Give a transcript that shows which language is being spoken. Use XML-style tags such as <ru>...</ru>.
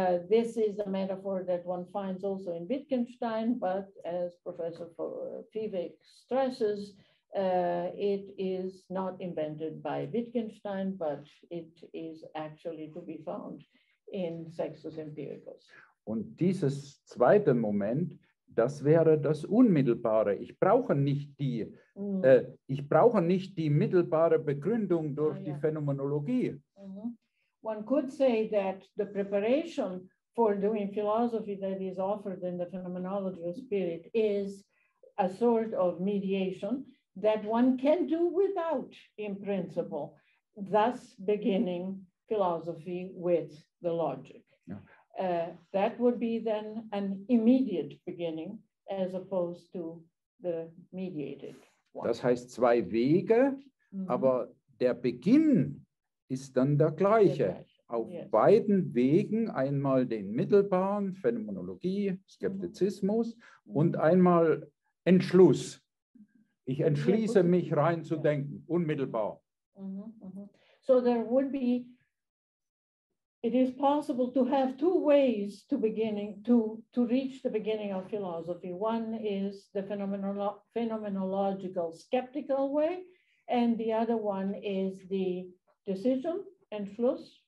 <en>This is a metaphor that one finds also in Wittgenstein, but as Professor Vieweg stresses, it is not invented by Wittgenstein, but it is actually to be found in Sextus Empiricus.</en> <de>Und dieses zweite Moment, das wäre das Unmittelbare. Ich brauche nicht die mittelbare Begründung durch die Phänomenologie. Mm-hmm.</de> <en>One could say that the preparation for doing philosophy that is offered in the phenomenology of spirit is a sort of mediation that one can do without in principle, thus beginning philosophy with the logic. Yeah. That would be then an immediate beginning as opposed to the mediated one.</en> <de>Das heißt zwei Wege, mm-hmm, aber der Beginn ist dann der gleiche. Auf yes, beiden Wegen, einmal den mittelbaren, Phänomenologie, Skeptizismus, mm-hmm, und einmal Entschluss. Ich entschließe mich reinzudenken, unmittelbar.</de> <en>So there would be, it is possible to have two ways to beginning, to reach the beginning of philosophy. One is the phenomenological skeptical way, and the other one is the decision, Entschluss.</en>